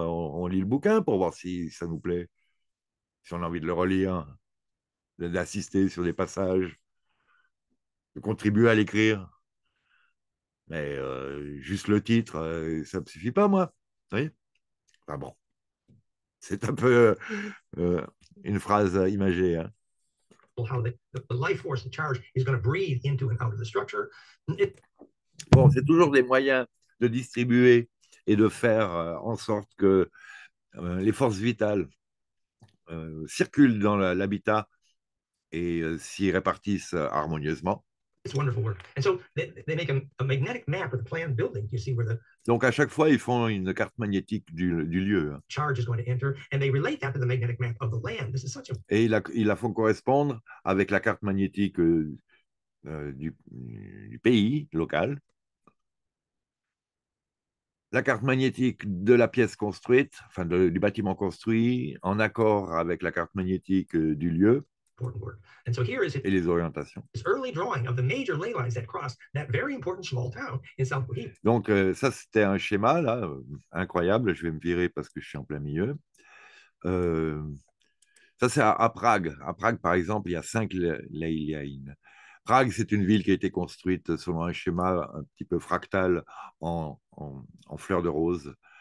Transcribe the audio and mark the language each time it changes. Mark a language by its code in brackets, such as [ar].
[fr] On lit le bouquin pour voir si ça nous plaît. Si on a envie de le relire, d'assister sur des passages, de contribuer à l'écrire. Mais juste le titre, ça ne me suffit pas, moi. Vous voyez ? Enfin bon, c'est un peu une phrase imagée. Hein. [en] How the life force in charge is going to breathe into and out of the structure. [fr] Bon, c'est toujours des moyens de distribuer et de faire en sorte que les forces vitales circulent dans l'habitat et s'y répartissent harmonieusement. [en] It's wonderful work. And so they make a magnetic map of the planned building. You see where the [fr] donc à chaque fois ils font une carte magnétique du lieu. [en] Charge is going to enter, and they relate that to the magnetic map of the land. This is such a [fr] et ils la font correspondre avec la carte magnétique du pays local, la carte magnétique de la pièce construite, enfin du bâtiment construit, en accord avec la carte magnétique du lieu. [en] And so here is [fr] et les orientations. [en] This early drawing of the major ley lines that cross that very important small town in South Bohemia. [fr] Donc ça c'était un schéma là incroyable. Je vais me virer parce que je suis en plein milieu. Ça c'est à Prague. À Prague par exemple, il y a 5 ley lines. Prague c'est une ville qui a été construite selon un schéma un petit peu fractal en fleurs de rose.